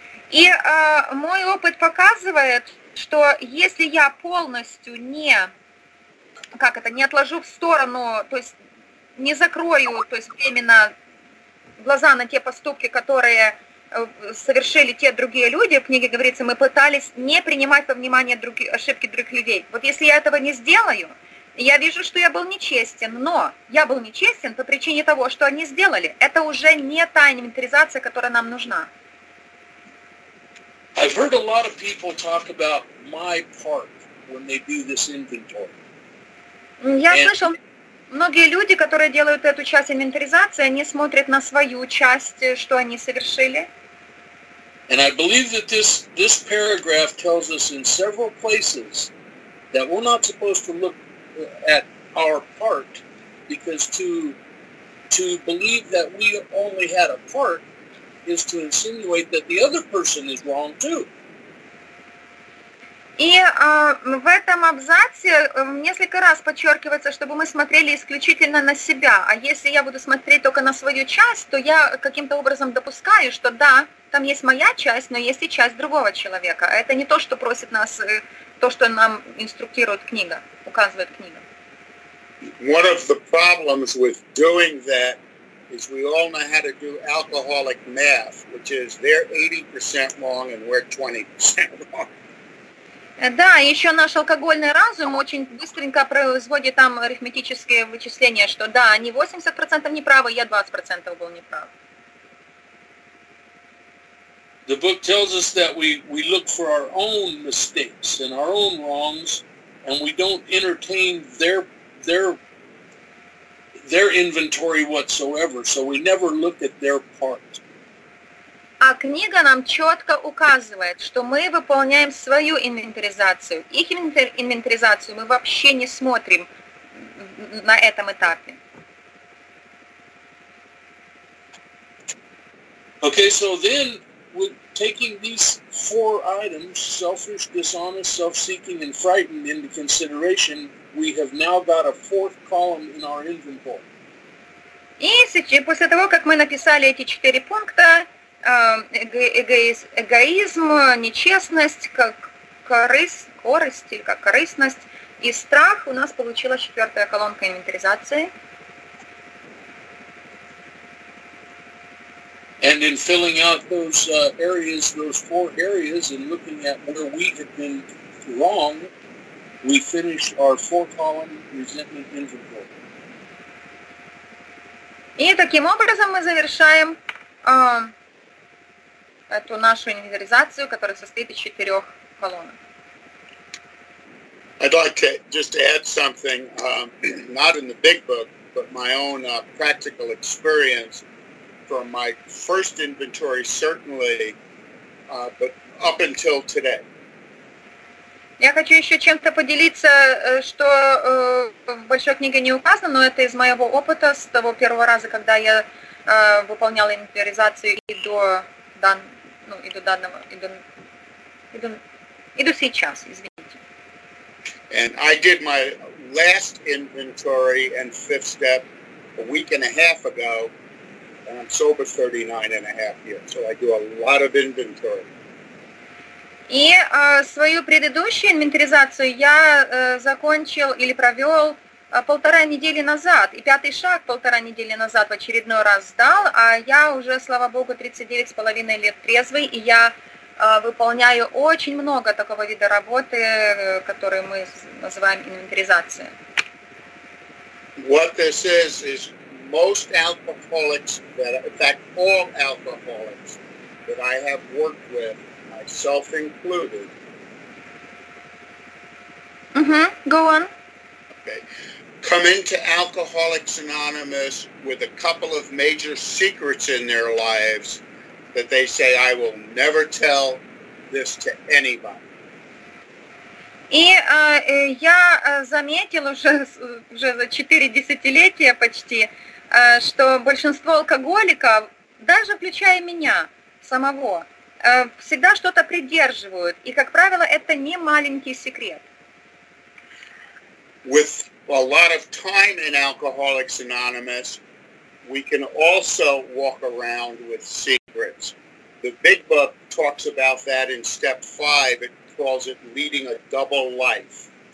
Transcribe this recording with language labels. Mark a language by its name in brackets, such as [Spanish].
[Russian] И мой опыт показывает, что если я полностью не отложу в сторону, то есть не закрою, то есть временно глаза на те поступки, которые совершили те другие люди, в книге говорится, мы пытались не принимать во внимание ошибки других людей. Вот если я этого не сделаю, я вижу, что я был нечестен, но я был нечестен по причине того, что они сделали. Это уже не та инвентаризация, которая нам нужна. [English] I've heard a lot of people talk about my part when they do this inventory. [Russian] Я слышал, многие люди, которые делают эту часть инвентаризации, они смотрят на свою часть, что они совершили. [English] And I believe that this paragraph tells us in several places that we're not supposed to look at our part, because to believe that we only had a part is to insinuate that the other person is wrong too. [Russian] И в этом абзаце несколько раз подчеркивается, чтобы мы смотрели исключительно на себя. А если я буду смотреть только на свою часть, то я каким-то образом допускаю, что да, там есть моя часть, но есть и часть другого человека. Это не то, что просит нас, то, что нам инструктирует книга. [English] One of the problems with doing that is we all know how to do alcoholic math, which is they're 80% wrong and we're 20% wrong. [Russian] Да, еще наш алкогольный разум очень быстренько производит там арифметические вычисления, что да, они 80% неправы, я 20% был неправ. [English] The book tells us that we look for our own mistakes and our own wrongs. And we don't entertain their inventory whatsoever, so we never look at their part. [Russian] А книга нам четко указывает, что мы выполняем свою инвентаризацию. Их инвентаризацию мы вообще не смотрим на этом этапе. [English] Okay, so then with taking these four items, selfish, dishonest, self-seeking, and frightened, into consideration, we have now got a fourth column in our inventory. [Russian] И после того, как мы написали эти четыре пункта, эгоизм, нечестность, корыстность и страх, у нас получилась четвертая колонка инвентаризации. [English] And in filling out those areas, those four areas, and looking at where we had been wrong, we finish our four-column resentment inventory. [Russian] И таким образом мы завершаем эту нашу инвентаризацию, которая состоит из четырех колонок. [English] I'd like to just add something, not in the big book, but my own practical experience. From my first inventory, certainly, but up until today. [Russian] Я хочу еще чем-то поделиться, что в большой книге не указано, но это из моего опыта с того первого раза, когда я выполняла инвентаризацию и до сейчас, извините. [English] And I did my last inventory and fifth step a week and a half ago, and I'm sober 39 and a half years, so I do a lot of inventory. [Russian] И свою предыдущую инвентаризацию я закончил или провел полтора недели назад. И пятый шаг полтора недели назад в очередной раз сдал. А я уже, слава богу, 39,5 лет трезвый. И я выполняю очень много такого вида работы, который мы называем инвентаризацией. [English] What this is most alcoholics, in fact, all alcoholics that I have worked with, myself included. Mm-hmm. Go on. Okay. Come into Alcoholics Anonymous with a couple of major secrets in their lives that they say, I will never tell this to anybody. [Russian] И я заметил уже за 4 десятилетия почти, что большинство алкоголиков, даже включая меня самого, всегда что-то придерживают, и, как правило, это не маленький секрет. [English] With a lot of time in Alcoholics Anonymous, we can also walk around with secrets. The Big Book talks about that in step 5, it calls it leading a double life.